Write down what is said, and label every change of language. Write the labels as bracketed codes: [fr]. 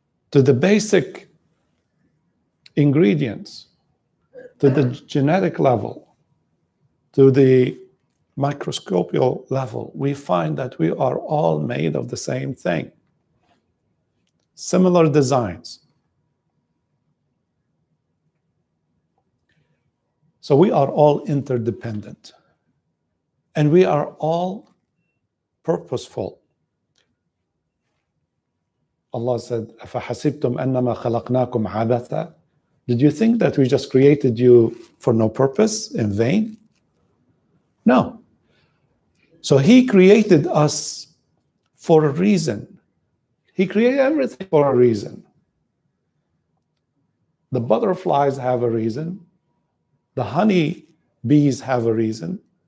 [en] to the basic ingredients, to the genetic level, to the microscopical level, we find that we are all made of the same thing. Similar designs. So we are all interdependent. And we are all purposeful. Allah said, [ar] أَفَحَسِبْتُمْ أَنَّمَا خَلَقْنَاكُمْ عَبَثًا. [en] Did you think that we just created you for no purpose, in vain? No. So He created us for a reason. He created everything for a reason. The butterflies have a reason. The honey bees have a reason.